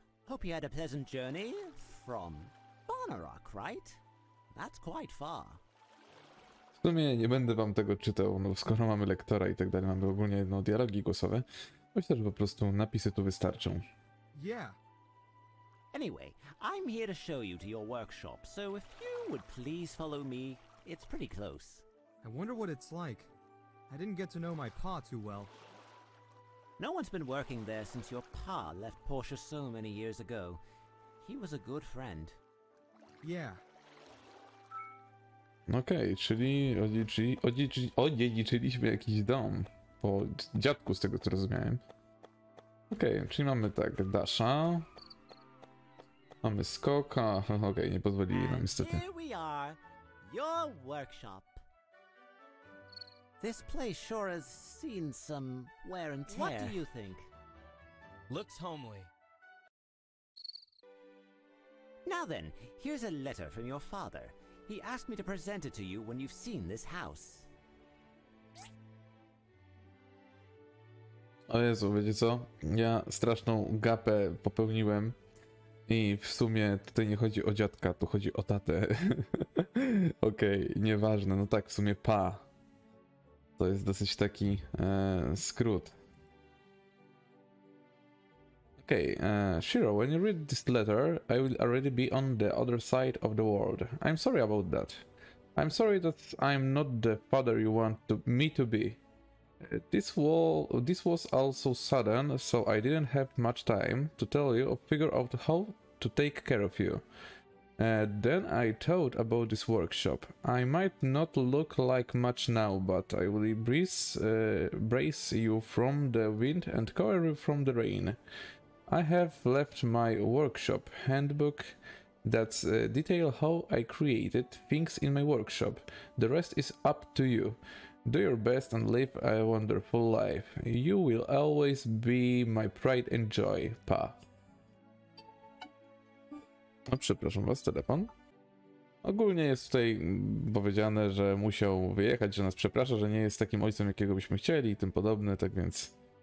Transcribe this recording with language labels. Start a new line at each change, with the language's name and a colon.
English: Hope you had a pleasant journey from Barnarok, right? That's quite far.
Polish: W sumie nie będę wam tego czytał, no skoro mamy lektora i tak dalej, mamy ogólnie no, dialogi głosowe. Myślę, że po prostu napisy tu wystarczą.
English: Yeah. Anyway, I'm here to show you to your workshop, so if you would please follow me, it's pretty close. I wonder what it's like. I didn't get to know my pa too well. No one's been working there since your pa left Portia so many years ago. He was a good friend. Yeah.
Polish: Okej, czyli odziedziczyliśmy jakiś dom po dziadku, z tego co rozumiałem. Okej, czyli mamy tak, Dasha. Mamy skoka. Okej, nie pozwolili nam niestety.
English: Here we are, your workshop. This place sure has seen some wear and tear. What do you think? Looks homely. Now then, here's a letter from your father. He asked me to present it to you when you've seen this house.
Polish: O Jezu, wiecie co? Ja straszną gapę popełniłem. I w sumie tutaj nie chodzi o dziadka, tu chodzi o tatę. Okej, okay, nieważne, no tak, w sumie pa. To jest dosyć taki skrót.
English: Okej, okay, Shiro, when you read this letter, I will already be on the other side of the world. I'm sorry about that. I'm sorry that I'm not the father you want to, me to be. This was also sudden, so I didn't have much time to tell you or figure out how to take care of you. Then I thought about this workshop. I might not look like much now, but I will brace you from the wind and cover you from the rain. I have left my workshop handbook that details how I created things in my workshop. The rest is up to you. Do your best and live a wonderful life. You will always be my pride and joy, Pa.
Polish: No, przepraszam was, telefon. Ogólnie jest tutaj powiedziane, że musiał wyjechać, że nas przeprasza, że nie jest takim ojcem, jakiego byśmy chcieli i tym podobne, tak więc...